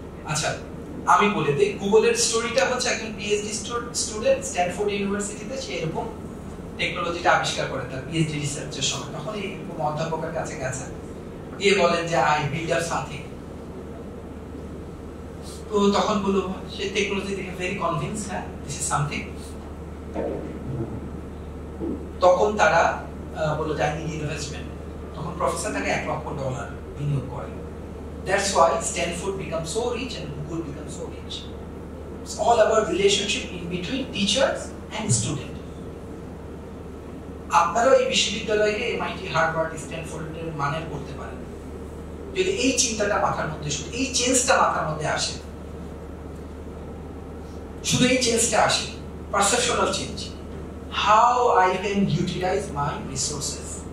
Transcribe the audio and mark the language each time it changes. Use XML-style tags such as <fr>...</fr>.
<bn>আচ্ছা আমি বলে দিই, গুগলের স্টোরিটা হচ্ছে একজন পিএইচডি স্টুডেন্ট স্ট্যানফোর্ড ইউনিভার্সিটিতে, সে এরকম টেকনোলজিটা আবিষ্কার করে তার পিএইচডি রিসার্চের সময়, তখন এইরকম অধ্যাপকের কাছে গেছেন, গিয়ে বলেন যে</bn> <en>I build up something.</en> <bn>তো তখন বলো সে টেকনোলজি দেখে</bn> <en>very convince,</en> <bn>হ্যাঁ</bn> <en>this is something,</en> <bn>তখন তারা বলল যে ইনভেস্টমেন্ট, তখন প্রফেসর তাকে $1,00,000 বিনিয়োগ করে।</bn> <en>That's why Stanford becomes so rich and Google becomes so rich. It's all about relationship in between teachers and student.</en> <bn>আপনারও এই বিশ্ববিদ্যালয়ে MIT, Harvard, Stanford এর মানের করতে পারেন। যদি এই চিন্তাটা মাথার মধ্যে শুধু এই চেঞ্জটা মাথার মধ্যে আসে, শুধু এই চেঞ্জটা আসে, perceptional change,</bn> <en>How I can utilize my resources.</en>